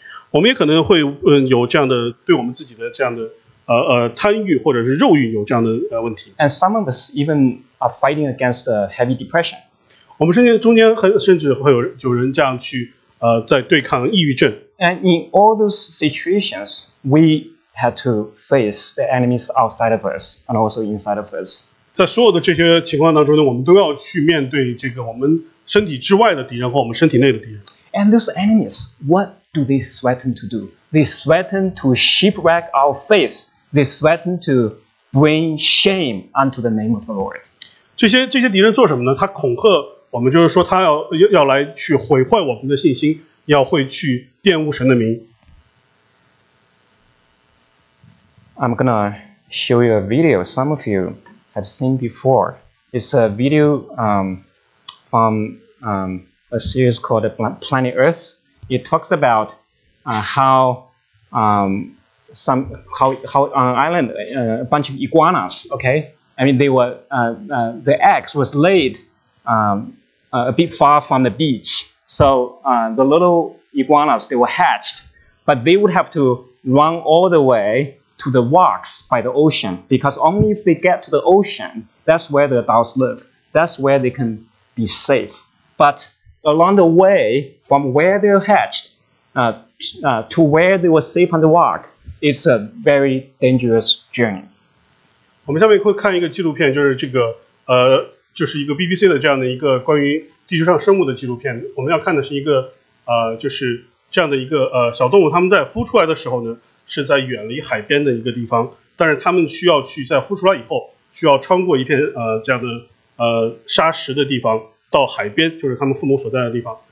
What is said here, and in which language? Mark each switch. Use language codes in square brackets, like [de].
[zh] 我们也可能会有这样的对我们自己的这样的贪欲或者是肉欲有这样的问题。 [en] And some of us even are fighting against a heavy depression. [zh] 我们中间甚至会有人这样去在对抗抑郁症。 [en] And in all those situations, we had to face the enemies outside of us and also inside of us. [zh] 在所有的这些情况当中呢，我们都要去面对这个我们身体之外的敌人和我们身体内的敌人。 [en] And those enemies, what do they threaten to do? They threaten to shipwreck our faith. They threaten to bring shame unto the name of the Lord. [zh] 这些敌人做什么呢？他恐吓我们，就是说他要来去毁坏我们的信心，要会去玷污神的名。 [en] I'm gonna show you a video some of you have seen before. It's a video from a series called Planet Earth. It talks about how on an island a bunch of iguanas, okay? I mean, they were the eggs was laid a bit far from the beach. So the little iguanas, they were hatched, but they would have to run all the way to the rocks by the ocean, because only if they get to the ocean, that's where the adults live. That's where they can be safe. But along the way, from where they're hatched to where they were safe on the rock, it's a very dangerous journey. [zh] 我们下面会看一个纪录片，就是这个就是一个 BBC 的这样的一个关于地球上生物的纪录片。我们要看的是一个就是这样的一个小动物，它们在孵出来的时候呢，是在远离海边的一个地方，但是他们需要去在孵出来以后，需要穿过一片这样的沙石的地方，到海边，就是他们父母所在的地方。